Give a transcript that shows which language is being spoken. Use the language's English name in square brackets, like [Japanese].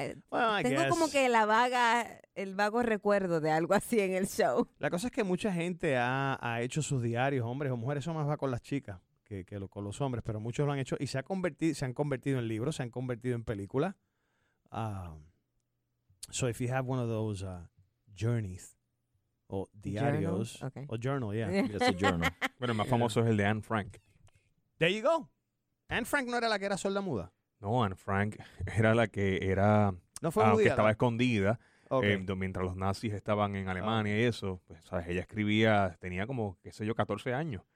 [Spanish] Como que el vago recuerdo de algo así en el show. La cosa es que mucha gente ha hecho sus diarios, hombres o mujeres, eso más va con las chicas que con los hombres, pero muchos lo han hecho y se han convertido en libros, se han convertido en películas. [English] So if you have one of those journeys, [Spanish] o diarios, [English] okay. O journal, yeah. That's a journal. [Spanish] Bueno, el más famoso es el de Anne Frank. [English] There you go. [Spanish] Anne Frank no era la que era sorda muda. No, Anne Frank era la que era, no fue judía, que estaba escondida. Okay. Mientras los nazis estaban en Alemania y eso, pues, ¿sabes? Ella escribía, tenía como, qué sé yo, 14 años.